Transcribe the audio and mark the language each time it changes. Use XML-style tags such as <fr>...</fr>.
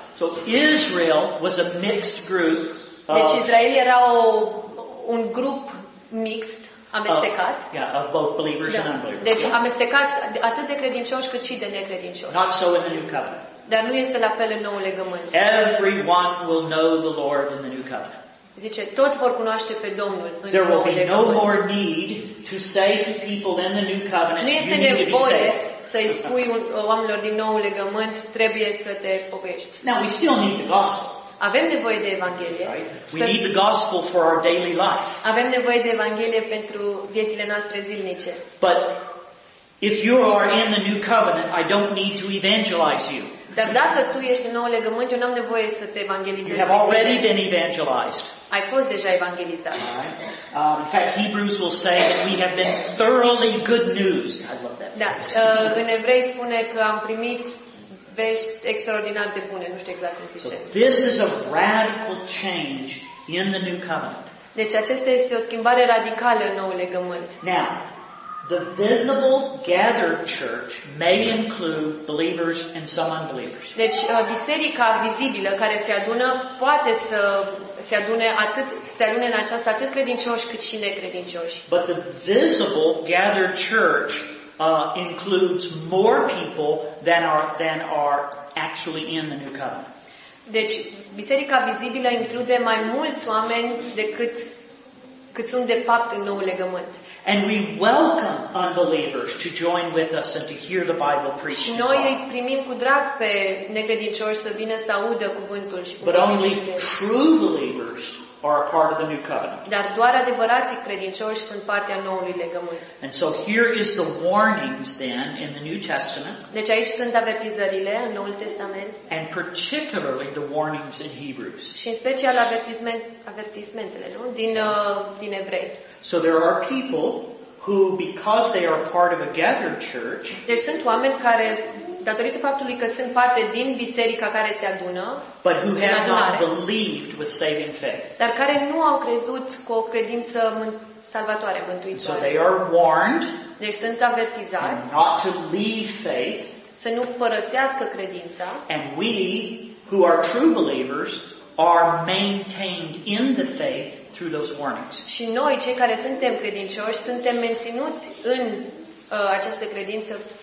<en>So Israel was a mixed group.</en> <ro>Deci Israel era un grup mixed, amestecat.</ro> <en>Of both believers and unbelievers.</en> <ro>Deci amestecat atât de credincioși cât și de necredincioși.</ro> <en>Not so in the new covenant.</en> <ro>Dar nu este la fel în noul legământ.</ro> <en>Everyone will know the Lord in the new covenant.</en> <ro>Zice, toți vor cunoaște pe Domnul în noul legământ.</ro> <en>There will be no more need to say to people in the new covenant,</en> <ro>"Nu este nevoie să-i spui oamenilor din noul legământ, trebuie să te pocăiești."</ro> <en>Now we still need the gospel.</en> <ro>Avem nevoie de evanghelie.</ro> <en>Right. We need the gospel for our daily life.</en> <ro>Avem nevoie de evanghelie pentru viețile noastre zilnice.</ro> <en>But if you are in the new covenant, I don't need to evangelize you.</en> <ro>Dar dacă tu ești în nou legământ, eu n-am nevoie să te evangelizez.</ro> <en>You have already been evangelized.</en> <ro>Ai fost deja evangelizat.</ro> <en>Right. In fact, Hebrews will say that we have been thoroughly good news. I love that.</en> <ro>Da. În Evrei spune că am primit vești extraordinar de bune, nu știu exact cum se zice.</ro> <en>So this is a radical change in the new covenant.</en> <ro>Deci acesta este o schimbare radicală în noul legământ.</ro> <en>Now, the visible gathered church may include believers and some unbelievers.</en> <ro>Deci biserica vizibilă care se adună poate să se adune atât se adune în aceasta atât credincioși cât și necredincioși.</ro> <en>But the visible gathered church includes more people than are actually in the new covenant.</en> <ro>Deci biserica vizibilă include mai mulți oameni decât sunt de fapt în noul legământ.</ro> <en>And we welcome unbelievers to join with us and to hear the Bible preached.</en> <ro>Noi îi primim cu drag pe necredincioși să vină să audă cuvântul și</ro> <en>But only true believers are a part of the new covenant.</en> <ro>Dar doar adevărații credincioși sunt partea noului legământ.</ro> <en>And so here is the warnings then in the New Testament.</en> <ro>Deci aici sunt avertizările în Noul Testament.</ro> <en>And particularly the warnings in Hebrews.</en> <ro>Și în special avertismentele, nu? Din Evrei.</ro> <en>So there are people who, because they are part of a gathered church,</en> <ro>deci sunt oameni care, datorită faptului că sunt parte din biserica care se adună,</ro> <en>but who have not believed with saving faith.</en> <ro>Dar care nu au crezut cu o credință salvatoare, mântuitoare.</ro> <en>So they are warned,</en> <ro>deci sunt avertizați,</ro> <en>not to leave faith,</en> <ro>să nu părăsească credința.</ro> <en>And we, who are true believers, are maintained in the faith through those warnings.</en> <ro>Și noi, cei care suntem credincioși, suntem menținuți în această credință.</ro>